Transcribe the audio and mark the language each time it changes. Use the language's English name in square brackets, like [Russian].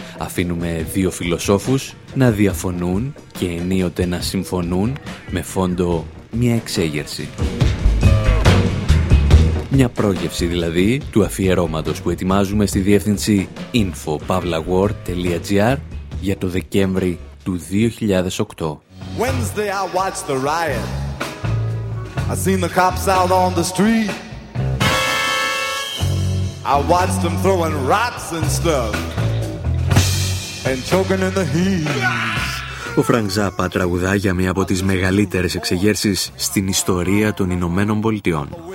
[Greek] Αφήνουμε δύο φιλοσόφους να διαφωνούν και ενίοτε να συμφωνούν με φόντο μια εξέγερση. Μια πρόγευση δηλαδή του αφιερώματος που ετοιμάζουμε στη διεύθυνση info@war.gr για το Δεκέμβρη του 2008. [English] Wednesday I watched the riot. I seen the cops out on the street. I watched them throwing rocks and stuff and choking in the heat. [Greek] Ο Frank Zappa τραγουδά για μία από τις μεγαλύτερες εξεγέρσεις στην ιστορία των Ηνωμένων Πολιτειών.